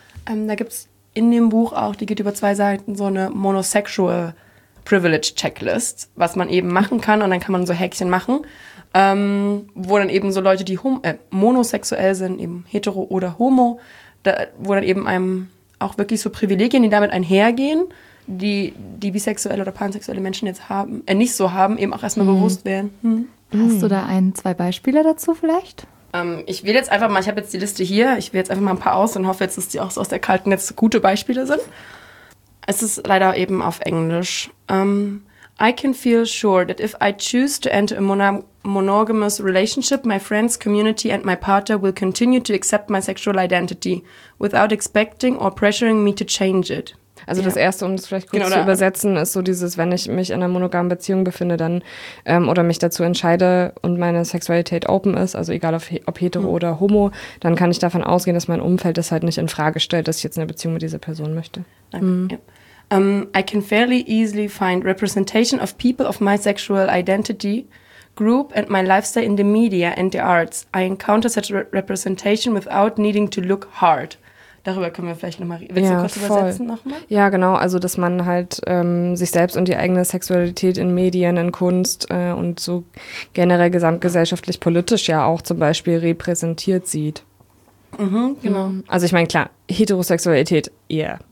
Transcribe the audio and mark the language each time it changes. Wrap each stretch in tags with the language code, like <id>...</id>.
<de>Da gibt es in dem Buch auch, die geht über zwei Seiten, so eine monosexual Privilege Checklist, was man eben machen kann, und dann kann man so Häkchen machen, wo dann eben so Leute, die monosexuell sind, eben hetero oder homo, da, wo dann eben einem auch wirklich so Privilegien, die damit einhergehen, die bisexuelle oder pansexuelle Menschen jetzt haben, nicht so haben, eben auch erstmal bewusst werden. Hast du da zwei Beispiele dazu vielleicht? Ich wähle jetzt einfach mal, ich habe jetzt die Liste hier, ich wähle jetzt einfach mal ein paar aus und hoffe jetzt, dass die auch so aus der kalten jetzt gute Beispiele sind. Es ist leider eben auf Englisch.</de> <en>I can feel sure that if I choose to enter a monogamous relationship, my friends, community and my partner will continue to accept my sexual identity without expecting or pressuring me to change it.</en> <de>Also das Erste, um das vielleicht kurz zu übersetzen, ist so dieses, wenn ich mich in einer monogamen Beziehung befinde, dann oder mich dazu entscheide und meine Sexualität open ist, also egal ob hetero oder homo, dann kann ich davon ausgehen, dass mein Umfeld das halt nicht in Frage stellt, dass ich jetzt eine Beziehung mit dieser Person möchte.</de> <en>I can fairly easily find representation of people of my sexual identity group and my lifestyle in the media and the arts. I encounter such representation without needing to look hard.</en> <de>Darüber können wir vielleicht nochmal reden. Willst du kurz voll übersetzen nochmal? Ja, genau. Also, dass man halt sich selbst und die eigene Sexualität in Medien, in Kunst und so generell gesamtgesellschaftlich, politisch ja auch zum Beispiel repräsentiert sieht. Mhm, genau. Also, ich meine, klar, Heterosexualität, yeah.</de>